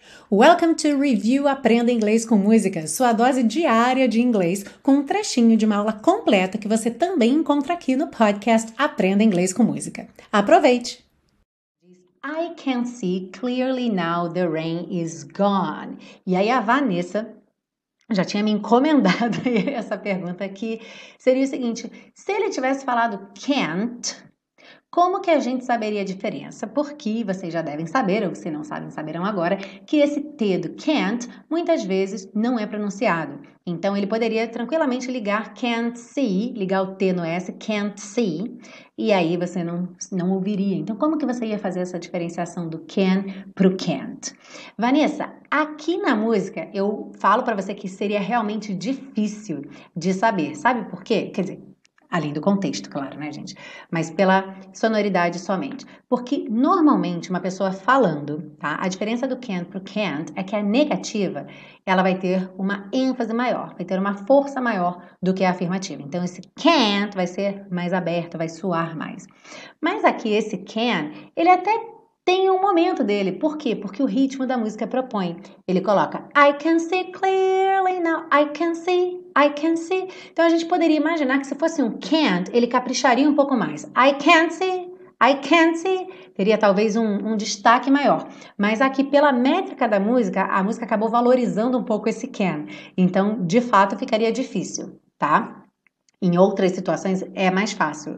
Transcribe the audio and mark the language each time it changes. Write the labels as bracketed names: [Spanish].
[English] Welcome to Review [Portuguese] Aprenda Inglês com Música, sua dose diária de inglês, com um trechinho de uma aula completa que você também encontra aqui no podcast Aprenda Inglês com Música. Aproveite! [English] I can see clearly now the rain is gone. [Portuguese] E aí a Vanessa já tinha me encomendado essa pergunta aqui. Seria o seguinte, se ele tivesse falado can't, como que a gente saberia a diferença? Porque vocês já devem saber, ou se não sabem, saberão agora, que esse T do can't muitas vezes não é pronunciado. Então ele poderia tranquilamente ligar can't see, ligar o T no S, can't see, e aí você não ouviria. Então como que você ia fazer essa diferenciação do can para o can't? Vanessa, aqui na música eu falo para você que seria realmente difícil de saber. Sabe por quê? Quer dizer, além do contexto, claro, né, gente? Mas pela sonoridade somente. Porque normalmente uma pessoa falando, tá? A diferença do can pro can't é que a negativa, ela vai ter uma ênfase maior, vai ter uma força maior do que a afirmativa. Então esse can't vai ser mais aberto, vai suar mais. Mas aqui esse can, ele até tem um momento dele. Por quê? Porque o ritmo da música propõe. Ele coloca [English] I can see clearly now, I can see. I can see. [Portuguese] Então a gente poderia imaginar que se fosse um can't, ele capricharia um pouco mais. [English] I can't see. I can't see. [Portuguese] Teria talvez um destaque maior. Mas aqui, pela métrica da música, a música acabou valorizando um pouco esse can. Então, de fato, ficaria difícil, tá? Em outras situações é mais fácil.